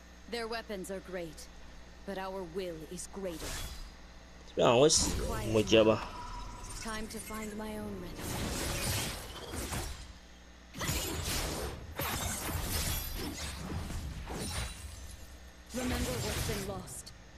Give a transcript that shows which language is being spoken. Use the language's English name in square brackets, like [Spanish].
[English] Their weapons are great, but our will is greater. [Chinese] 这边好像会死，我们回家吧。 [English] Time to find my own remedy. Remember what's been lost.